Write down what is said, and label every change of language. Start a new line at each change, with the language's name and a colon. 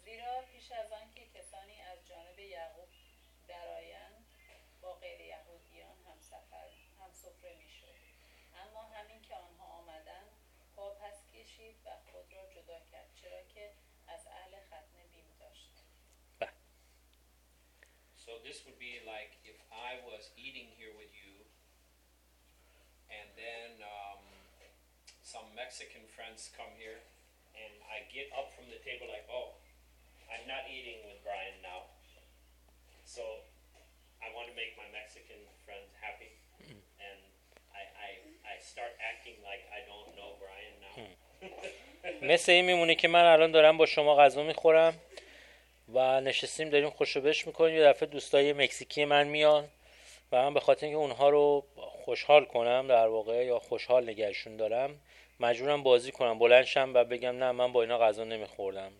Persian: زیرا پیش از آنکه کسانی از جانب یعقوب درآیند با غیر یهودیان همسفره میشد، اما همین که آنها آمدند پا پس کشید و خود را جدا کرد، چرا که از اهل ختنه بیم داشت. بله.
English: So this would be like if I was eating here with you and then some Mexican friends come here and I get up from the table like, oh, I'm not eating with Brian now. So I want to make my Mexican friends happy. And I start acting like I don't know Brian now.
Persian: مثل این میمونه که من الان دارم با شما غذا میخورم و نشستیم داریم خوشبش میکنیم، یه دفعه دوستای مکزیکی من میان و من به خاطر اینکه اونها رو خوشحال کنم در واقع یا خوشحال نگهشون دارم، مجبورم بازی کنم، بلند شم و بگم نه من با اینا غذا نمیخوردم.